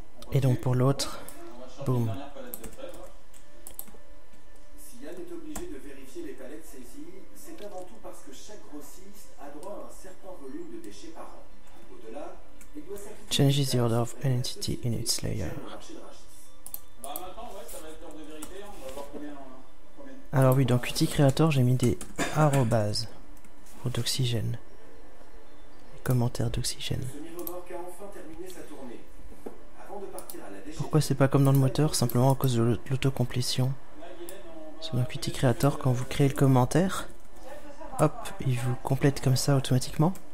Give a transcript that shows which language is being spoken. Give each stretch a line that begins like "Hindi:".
French: Et donc pour l'autre, boum. Si Yann est obligé de vérifier les palettes saisies, c'est avant tout parce que chaque grossiste a droit à un certain volume de déchets par an. Au-delà, il doit s'afficher.
English: Changes the order of an entity in its layer.
French: Bah maintenant, ouais, ça va être l'heure de vérité, on va voir combien. Alors oui, dans Qt Creator, j'ai mis des arrobases pour d'oxygène. Les commentaires d'oxygène. Pourquoi c'est pas comme dans le moteur? Simplement à cause de l'autocomplétion. Sur Qt Creator, quand vous créez le commentaire, hop, il vous complète comme ça automatiquement.